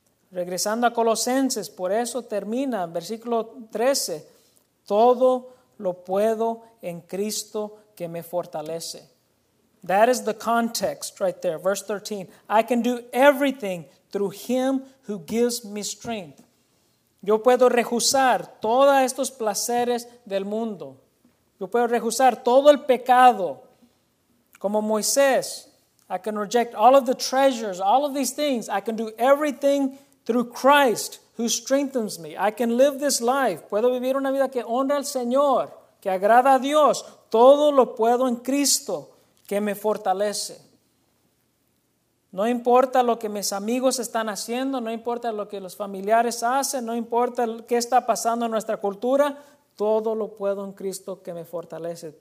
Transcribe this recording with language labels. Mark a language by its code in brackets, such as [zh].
[es] Regresando a Colosenses, por eso termina en versículo 13, todo lo puedo en Cristo que me fortalece. [en] That is the context right there, verse 13. I can do everything through him who gives me strength. [es] Yo puedo rehusar todos estos placeres del mundo. Yo puedo rehusar todo el pecado. Como Moisés, [en] I can reject all of the treasures, all of these things. I can do everything through Christ who strengthens me. I can live this life. [es] Puedo vivir una vida que honra al Señor, que agrada a Dios. Todo lo puedo en Cristo que me fortalece. No importa lo que mis amigos están haciendo, no importa lo que los familiares hacen, no importa qué está pasando en nuestra cultura, todo lo puedo en Cristo que me fortalece.